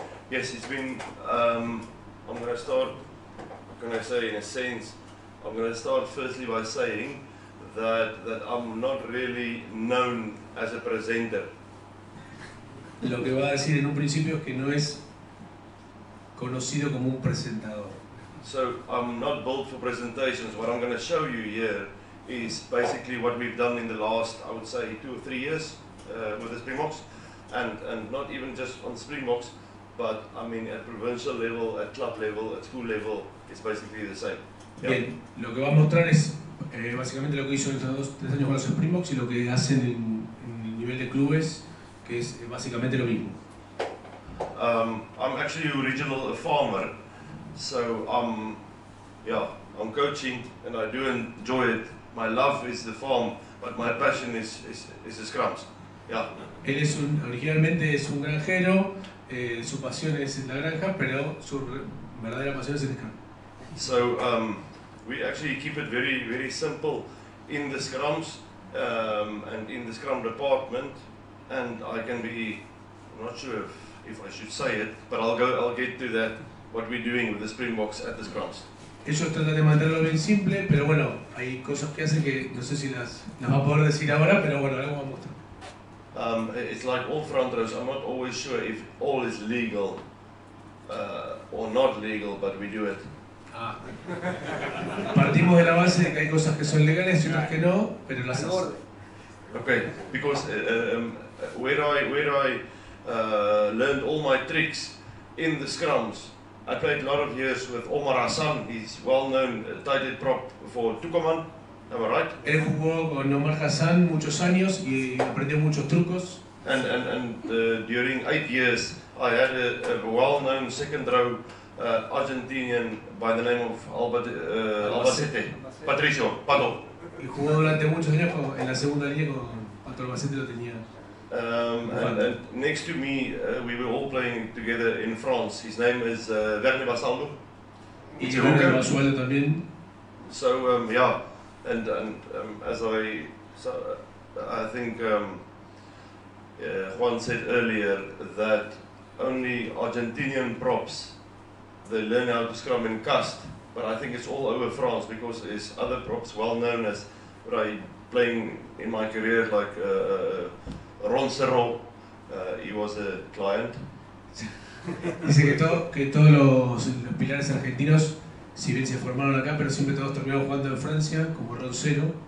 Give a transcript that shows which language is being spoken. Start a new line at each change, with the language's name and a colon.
English: Yes, it's been, I'm going to start firstly by saying that I'm not really known as a presenter.
Spanish: Lo que va a decir en un principio es que no es conocido como un presentador.
English: So I'm not built for presentations. What I'm going to show you here is basically what we've done in the last, I would say, 2 or 3 years with the Springboks, and not even just on Springboks, but I mean at provincial level, at club level, at school level, it's basically the same. Yep.
Spanish: Bien, lo que va a mostrar es básicamente lo que hizo en estos 3 años con los Springboks y lo que hacen en el nivel de clubes, que es básicamente lo mismo.
English: I'm actually original a farmer, so I'm coaching and I do enjoy it. My love is the farm, but my passion is the scrums. Yeah.
Spanish: Él es originalmente un granjero. Su pasión es la granja, pero su verdadera pasión es el scrum.
English: So we actually keep it very, very simple in the scrums and in the scrum department. And I can be, I'm not sure if I should say it, but I'll get to that. What we're doing with the Springboks at the scrums.
Spanish: Eso es tratar de mantenerlo bien simple, pero bueno, hay cosas que hacen que no sé si las va a poder decir ahora, pero bueno, algo va a mostrar.
English: It's like all front rows, I'm not always sure if all is legal or not legal, but we do it. Ah.
Spanish: Partimos de la base de que hay cosas que son legales y otras que no, pero las hacemos.
English: Okay, because where I learned all my tricks in the scrums. I played a lot of years with Omar Hassan, he's well known tight end prop for Tucuman. Am I right?
Spanish: Él jugó con Omar Hassan muchos años y aprendió muchos trucos.
English: And during 8 years I had a well known second row Argentinian by the name of Albacete. Patricio, Pato.
Spanish: Y jugó durante muchos años en la segunda línea con Pato Albacete lo tenía.
English: And next to me, we were all playing together in France. His name is Werner Basaldo. It's a
Spanish: también.
English: So I think Juan said earlier that only Argentinian props they learn how to scrum in cast, but I think it's all over France because there's other props well known as what I playing in my career like. Ron Cerro, he was a client.
Spanish: Dice que todos los pilares argentinos, si bien se formaron acá, pero siempre todos terminaron jugando en Francia, como Ron Cerro.